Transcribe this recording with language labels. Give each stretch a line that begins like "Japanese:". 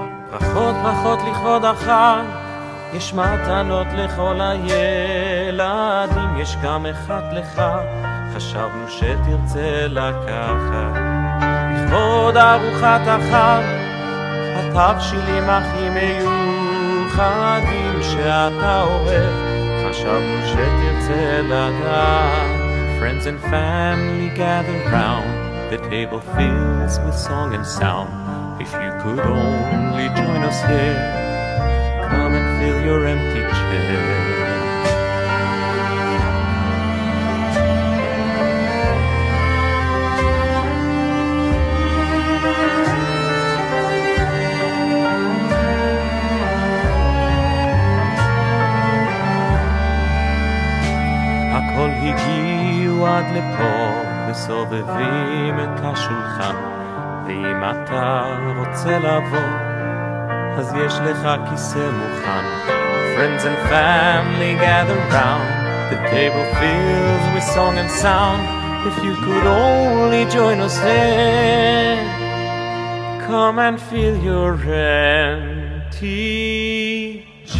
Hebrew: פחות פחות לכבוד החג, יש מתנות לכל הילדים, יש גם אחד לך, חשבנו שתרצה לקחת. לכבוד ארוחת החג, תבשילים הכי מיוחדים שאתה אוהב, חשבנו שתרצה לדעת.
English: Friends and family gather round, the table fills with song and sound. If you could only join us here, come and fill your empty chair.
Hebrew: הכל הגיעו עד לפה, מסובבים את השולחן, ואם אתה רוצה לבוא, אז יש לך כיסא מוכן.
English: Friends and family gather round, the table fills with song and sound. If you could only join us here, come and fill your empty chair.